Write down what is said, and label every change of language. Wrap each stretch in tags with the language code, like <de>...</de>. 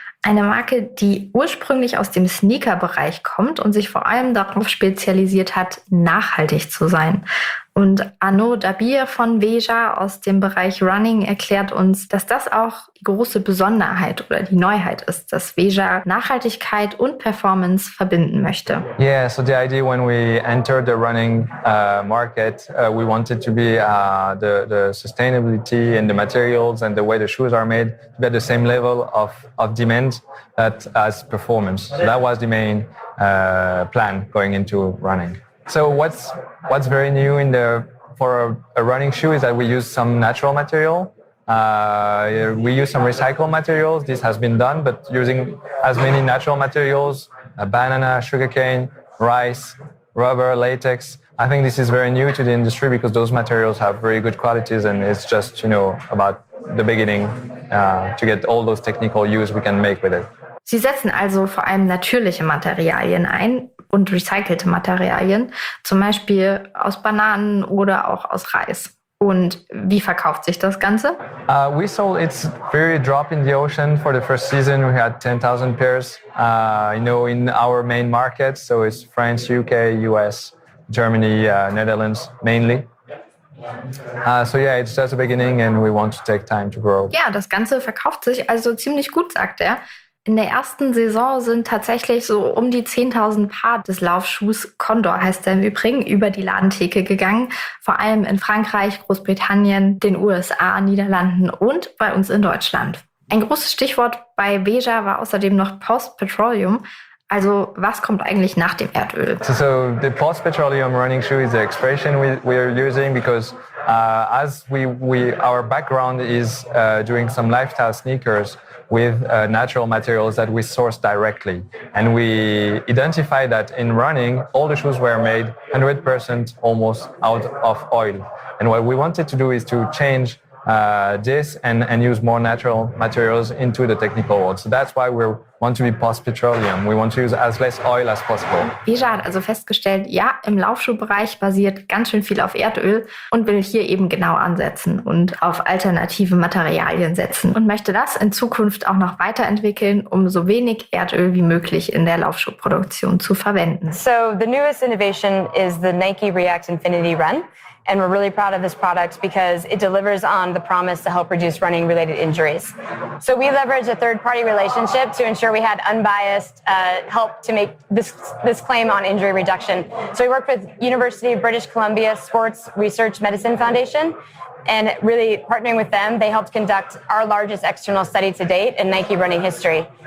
<de>Eine Marke, die ursprünglich aus dem Sneaker-Bereich kommt und sich vor allem darauf spezialisiert hat, nachhaltig zu sein. Und Arnaud Dabir von Veja aus dem Bereich Running erklärt uns, dass das auch die große Besonderheit oder die Neuheit ist, dass Veja Nachhaltigkeit und Performance verbinden möchte.</de> <en>Yeah, so the idea when we entered the running market, we wanted to be the sustainability and the materials and the way the shoes are made to be at the same level of demand that as performance. So that was the main plan going into running. So what's very new in the for a running shoe is that we use some natural material. We use some recycled materials. This has been done, but using as many natural materials, a banana, sugarcane, rice, rubber, latex. I think this is very new to the industry because those materials have very good qualities, and it's just about the beginning to get all those technical use we can make with it.</en> <de>Sie setzen also vor allem natürliche Materialien ein. und recycelte Materialien, zum Beispiel aus Bananen oder auch aus Reis. Und wie verkauft sich das Ganze?</de> <en>We sold its very drop in the ocean for the first season. We had 10,000 pairs, you know, in our main markets. So it's France, UK, US, Germany, Netherlands mainly. It's just the beginning and we want to take time to grow.</en> <de>Ja, das Ganze verkauft sich also ziemlich gut, sagt er. In der ersten Saison sind tatsächlich so um die 10.000 Paar des Laufschuhs, Condor heißt er im Übrigen, über die Ladentheke gegangen. Vor allem in Frankreich, Großbritannien, den USA, Niederlanden und bei uns in Deutschland. Ein großes Stichwort bei Beja war außerdem noch Post-Petroleum. Also was kommt eigentlich nach dem Erdöl?</de> <en>So the post-petroleum running shoe is the expression we are using because our background is doing some lifestyle sneakers with natural materials that we source directly. And we identify that in running, all the shoes were made 100% almost out of oil. And what we wanted to do is to change this and use more natural materials into the technical world. So that's why we want to be post-petroleum. We want to use as less oil as possible.</en> <de>Beja hat also festgestellt, ja, im Laufschuhbereich basiert ganz schön viel auf Erdöl und will hier eben genau ansetzen und auf alternative Materialien setzen und möchte das in Zukunft auch noch weiterentwickeln, um so wenig Erdöl wie möglich in der Laufschuhproduktion zu verwenden.</de> <en>So the newest innovation is the Nike React Infinity Run. And we're really proud of this product because it delivers on the promise to help reduce running-related injuries. So we leveraged a third-party relationship to ensure we had unbiased help to make this claim on injury reduction. So we worked with University of British Columbia Sports Research Medicine Foundation, and really partnering with them, they helped conduct our largest external study to date in Nike running history.</en>